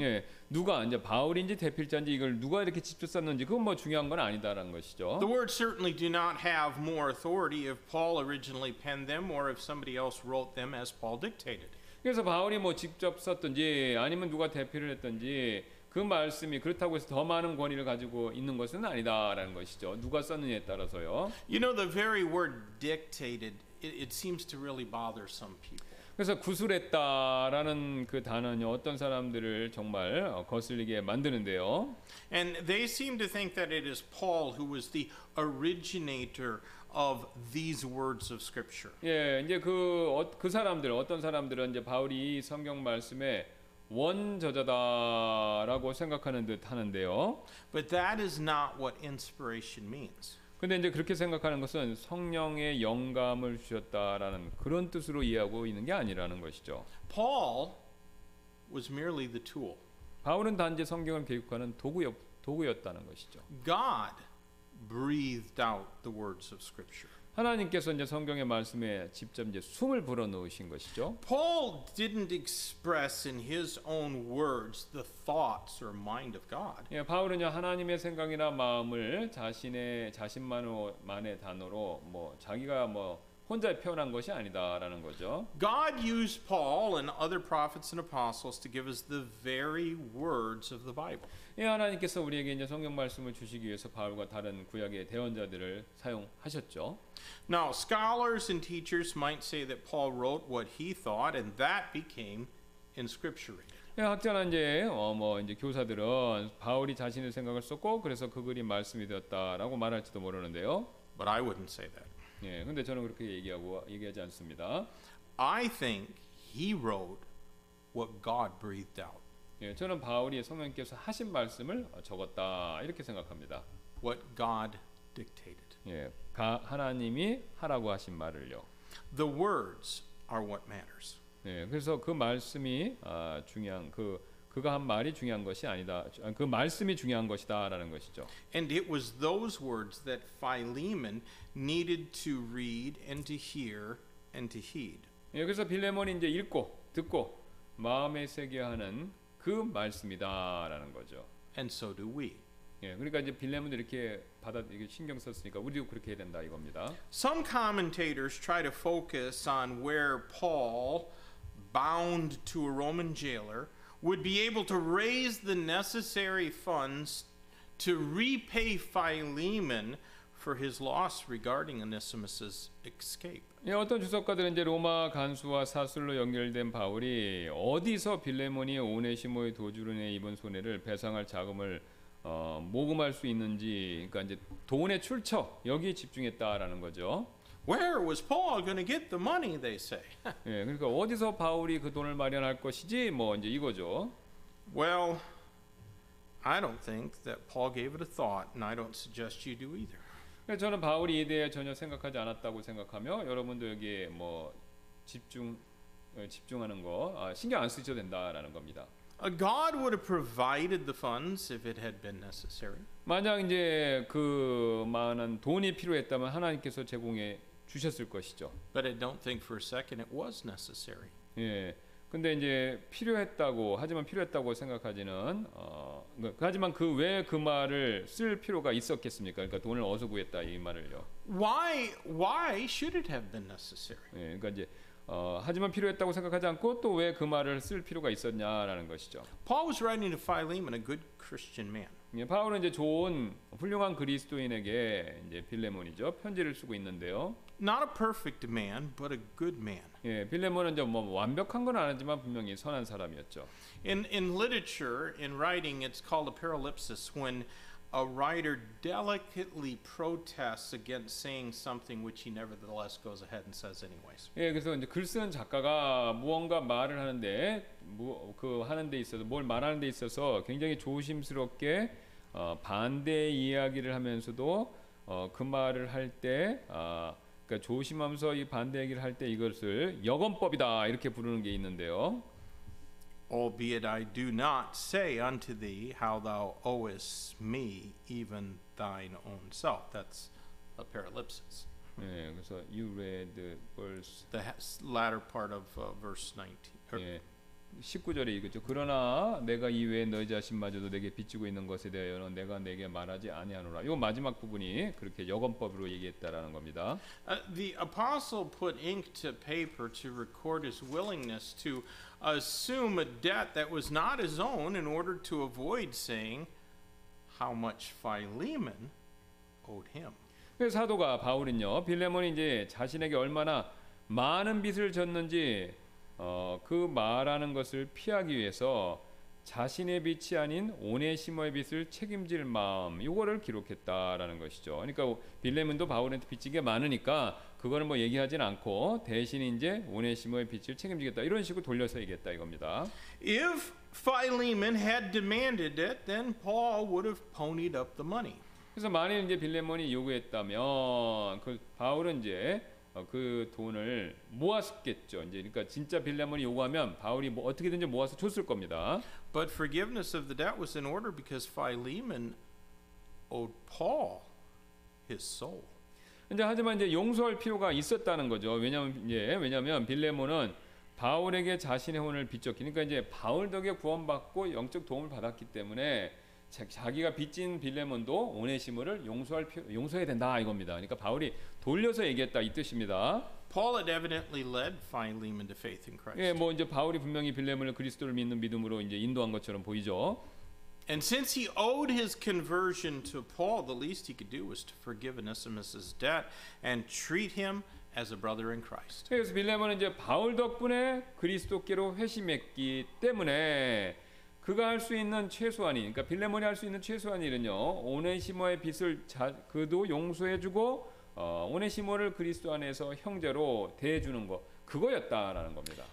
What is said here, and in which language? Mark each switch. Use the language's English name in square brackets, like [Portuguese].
[Korean] 예, 누가 이제 바울인지 대필자인지 이걸 누가 이렇게 직접 썼는지 그건 뭐 중요한 건 아니다라는 것이죠. [English] The words certainly do not have more authority if Paul originally penned them or if somebody else wrote them as Paul dictated. [Korean] 그래서 바울이 뭐 직접 썼든지 아니면 누가 대필을 했든지 그 말씀이 그렇다고 해서 더 많은 권위를 가지고 있는 것은 아니다라는 것이죠. 누가 썼느냐에 따라서요. [English] You know the very word dictated it seems to really bother some people. [Korean] 그래서 구술했다라는 그 단어는 어떤 사람들을 정말 거슬리게 만드는데요. [English] And they seem to think that it is Paul who was the originator of these words of scripture. [Korean] 예, 이제 그 사람들 어떤 사람들은 이제 바울이 성경 말씀의 원저자다라고 생각하는 듯 하는데요. [English] But that is not what inspiration means. [Korean] 근데 이제 그렇게 생각하는 것은 성령의 영감을 주셨다라는 그런 뜻으로 이해하고 있는 게 아니라는 것이죠. [English] Paul was merely the tool. [Korean] 바울은 단지 성경을 계획하는 도구였다는 것이죠. [English] God breathed out the words of scripture. [Korean] 하나님께서 이제 성경의 말씀에 직접 이제 숨을 불어넣으신 것이죠. [English] Paul didn't express in his own words the thoughts or mind of God. [Korean] 예, 바울은요 하나님의 생각이나 마음을 자신만의 단어로 뭐 자기가 뭐 혼자 표현한 것이 아니다라는 거죠. [English] God used Paul and other prophets and apostles to give us the very words of the Bible. [Korean] 예, 하나님께서 우리에게 이제 성경 말씀을 주시기 위해서 바울과 다른 구약의 대언자들을 사용하셨죠. [English] Now, scholars and teachers might say that Paul wrote what he thought and that became inscripturated. [Korean] 예, 학자나 이제 이제 교사들은 바울이 자신의 생각을 썼고 그래서 그 글이 말씀이 되었다라고 말할지도 모르는데요. [English] But I wouldn't say that. [Korean] 예, 근데 저는 그렇게 얘기하지 않습니다. [English] I think he wrote what God breathed out. [Korean] 예, 저는 바울이 성령께서 하신 말씀을 적었다 이렇게 생각합니다. [English] What God dictated. [Korean] 예, 하나님이 하라고 하신 말을요. [English] The words are what matters. [Korean] 예, 그래서 그 말씀이 중요한 그가 한 말이 중요한 것이 아니다. 그 말씀이 중요한 것이다라는 것이죠. [English] And it was those words that Philemon needed to read and to hear and to heed. [Korean] 예, 그래서 빌레몬이 이제 읽고 듣고 마음에 새겨야 하는 그 말씀이다라는 거죠. [English] And so do we. [Korean] 예, 그러니까 이제 빌렘은 이렇게 받아 이게 신경 썼으니까 우리도 그렇게 해야 된다 이겁니다. [English] Some commentators try to focus on where Paul, bound to a Roman jailer, would be able to raise the necessary funds to repay Philemon for his loss regarding Onesimus's escape. [Korean] 예, 어떤 주석가들은 이제 로마 간수와 사슬로 연결된 바울이 어디서 빌레몬이 오네시모의 도주론에 입은 손해를 배상할 자금을 모금할 수 있는지, 그러니까 이제 돈의 출처 여기에 집중했다라는 거죠. [English] Where was Paul going to get the money? They say. [Korean] 예, 그러니까 어디서 바울이 그 돈을 마련할 것이지, 뭐 이제 이거죠. [English] Well, I don't think that Paul gave it a thought, and I don't suggest you do either. [Korean] 저는 바울이 이 대해 전혀 생각하지 않았다고 생각하며 여러분도 여기에 뭐 집중하는 거 신경 안 쓰셔도 된다라는 겁니다. [English] God would have provided the funds if it had been necessary. [Korean] 만약 이제 그 많은 돈이 필요했다면 하나님께서 제공해 주셨을 것이죠. [English] But I don't think for a second it was necessary. [Korean] 예. 근데 이제 필요했다고 하지만 필요했다고 생각하지는 하지만 그 왜 그 말을 쓸 필요가 있었겠습니까? 그러니까 돈을 어디서 구했다 이 말을요. [English] Why should it have been necessary? [Korean] 예, 그러니까 이제 하지만 필요했다고 생각하지 않고 또 왜 그 말을 쓸 필요가 있었냐라는 것이죠. [English] Paul was writing to Philemon, a good Christian man. [Korean] 예, 바울은 이제 좋은 훌륭한 그리스도인에게 이제 빌레몬이죠 편지를 쓰고 있는데요. [English] Not a perfect man, but a good man. [Korean] 예, 빌레몬은 이제 뭐 완벽한 건 아니지만 분명히 선한 사람이었죠. [English] In literature, in writing, it's called a paralipsis when a writer delicately protests against saying something which he nevertheless goes ahead and says anyways. [Korean] 예, 그래서 이제 글 쓰는 작가가 무언가 말을 하는데 하는 데 있어서 뭘 말하는 데 있어서 굉장히 조심스럽게 반대 이야기를 하면서도 그 말을 할 때 그러니까 조심하면서 이 반대 얘기를 할 때 이것을 여건법이다 이렇게 부르는 게 있는데요. [English] Albeit I do not say unto thee how thou owest me even thine own self. That's a paralipsis. [Korean] 네, 그래서 [English] you read verse the latter part of verse 19. [Korean] 네, 19절에 이거죠. 그러나 내가 이외에 너희 자신마저도 내게 빚지고 있는 것에 대하여는 내가 내게 말하지 아니하노라. 이 마지막 부분이 그렇게 여건법으로 얘기했다라는 겁니다. [English] The apostle put ink to paper to record his willingness to assume a debt that was not his own in order to avoid saying how much Philemon owed him. [Korean] 사도가 바울은요, 빌레몬이 이제 자신에게 얼마나 많은 빚을 졌는지 그 말하는 것을 피하기 위해서 자신의 빚이 아닌 오네시모의 빚을 책임질 마음 이거를 기록했다라는 것이죠. 그러니까 빌레몬도 바울한테 빚진 게 많으니까 그거는 뭐 얘기하진 않고 대신 이제 오네시모의 빚을 책임지겠다 이런 식으로 돌려서 얘기했다 이겁니다. [English] If Philemon had demanded it, then Paul would have ponied up the money. [Korean] 그래서 만약 이제 빌레몬이 요구했다면 그 바울은 이제 그 돈을 모았겠죠. 이제 그러니까 진짜 빌레몬이 요구하면 바울이 뭐 어떻게든지 모아서 줬을 겁니다. [English] But forgiveness of the debt was in order because Philemon owed Paul his soul. [Korean] 이제 하지만 이제 용서할 필요가 있었다는 거죠. 왜냐면 빌레몬은 바울에게 자신의 혼을 빚졌으니까 이제 바울 덕에 구원받고 영적 도움을 받았기 때문에 자기가 빚진 빌레몬도 오네시모를 용서해야 된다 이겁니다. 그러니까 바울이 돌려서 얘기했다 이 뜻입니다. [English] Paul had evidently led Philemon to faith in Christ. [Korean] 예, 뭐 이제 바울이 분명히 빌레몬을 그리스도를 믿는 믿음으로 이제 인도한 것처럼 보이죠. [English] And since he owed his conversion to Paul, the least he could do was to forgive Onesimus's debt and treat him as a brother in Christ. [Korean] 그래서 빌레몬은 이제 바울 덕분에 그리스도께로 회심했기 때문에 그가 할 수 있는 최소한이, 그러니까 빌레몬이 할 수 있는 최소한 일은요, 오네시모의 빚을 그도 용서해주고 오네시모를 그리스도 안에서 형제로 대해주는 거 그거였다라는 겁니다.